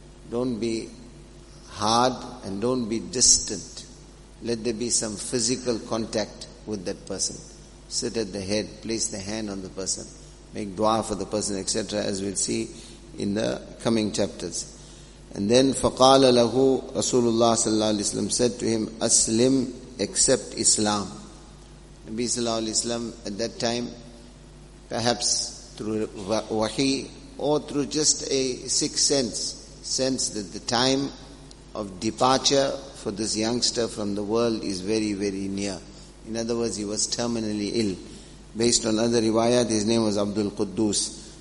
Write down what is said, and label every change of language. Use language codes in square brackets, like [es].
[en] Don't be hard and don't be distant. Let there be some physical contact with that person. Sit at the head, place the hand on the person. make dua for the person, etc., as we'll see in the coming chapters. And then [ar] فَقَالَ لَهُ رَسُولُ اللَّهِ صَلَّى اللَّهُ عَلَيْهِ وَسَلَّمَ [en] said to him, [ar] أَسْلِمْ, [en] accept Islam. Nabi sallallahu alayhi wa sallam at that time, perhaps through wahi or through just a sixth sense that the time of departure for this youngster from the world is very, very near. In other words, he was terminally ill. Based on other riwayat, his name was Abdul Quddus.